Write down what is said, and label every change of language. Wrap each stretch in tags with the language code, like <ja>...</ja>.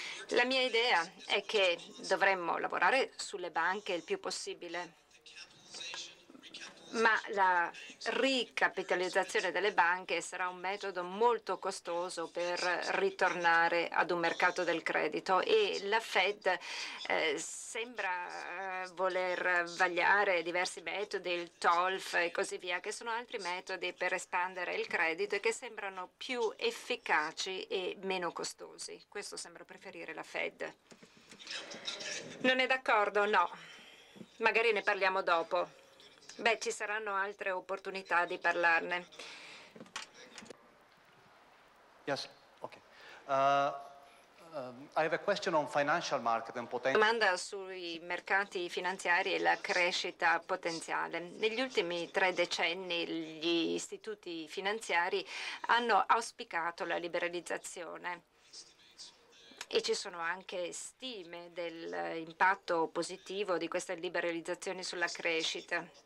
<it>La mia idea è che dovremmo lavorare sulle banche il più possibile, ma la ricapitalizzazione delle banche sarà un metodo molto costoso per ritornare ad un mercato del credito e la Fed sembra voler vagliare diversi metodi, il TOLF e così via, che sono altri metodi per espandere il credito e che sembrano più efficaci e meno costosi. Questo sembra preferire la Fed. Non è d'accordo? No. Magari ne parliamo dopo. Beh, ci saranno altre opportunità di parlarne.</it> <en>Yes, ok. I have a question on financial market and potential.</en> <it>Domanda sui mercati finanziari e la crescita potenziale. Negli ultimi tre decenni gli istituti finanziari hanno auspicato la liberalizzazione e ci sono anche stime dell'impatto positivo di questa liberalizzazione sulla crescita.</it>